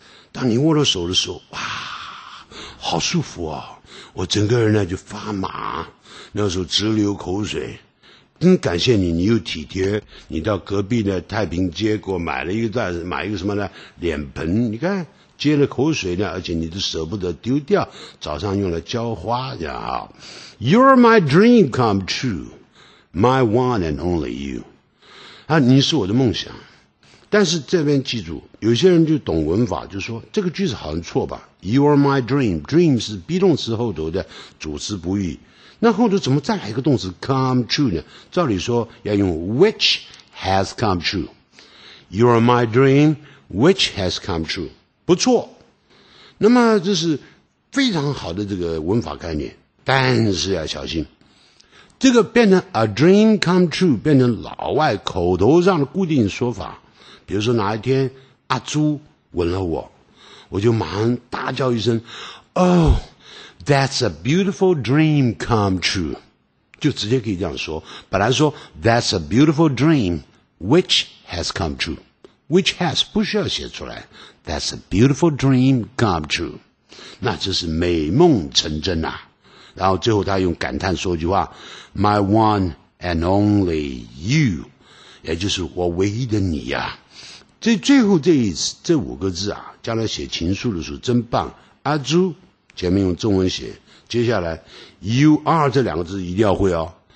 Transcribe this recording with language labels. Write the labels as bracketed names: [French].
[Chinese] 当你握着手的时候，哇好舒服啊，我整个人呢就发麻，那时候直流口水。真感谢你，你又体贴，你到隔壁的太平街给我买了一个袋子，买一个什么呢，脸盆，你看接了口水呢，而且你都舍不得丢掉，早上用来浇花这样啊。 [English] You're my dream come true， My one and only you， [Chinese] 啊，你是我的梦想。但是这边记住，有些人就懂文法，就说这个句子好像错吧。 [English] You are my dream， [Chinese] dream 是 be 动词后头的主词补语，那后头怎么再来一个动词 [English] come true [Chinese] 呢？照理说要用 [English] which has come true， You are my dream which has come true， [Chinese] 不错。那么这是非常好的这个文法概念，但是要小心这个变成 [English] a dream come true， [Chinese] 变成老外口头上的固定说法。比如说哪一天阿朱吻了我，我就马上大叫一声 [English] Oh that's a beautiful dream come true， [Chinese] 就直接可以这样说。本来说 [English] that's a beautiful dream which has come true， which has [Chinese] 不需要写出来， [English] that's a beautiful dream come true， [Chinese] 那这是美梦成真啊。然后最后他用感叹说一句话， [English] My one and only you， [Chinese] 也就是我唯一的你啊。这最后这一次这五个字啊，将来写情书的时候真棒。阿朱前面用中文写，接下来 [English] you are [Chinese] 这两个字一定要会哦。